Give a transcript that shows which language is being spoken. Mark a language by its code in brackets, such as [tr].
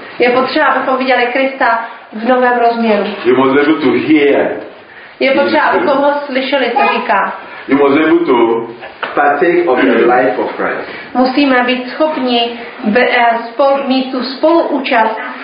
[cs] Je potřeba, abychom viděli Krista v novém rozměru. [en] You must be able to hear. [cs] Je potřeba, abychom ho slyšeli, co říká. [en] You must be able to partake of the life of Christ. [cs] Musíme být schopni mít tu spoluúčast.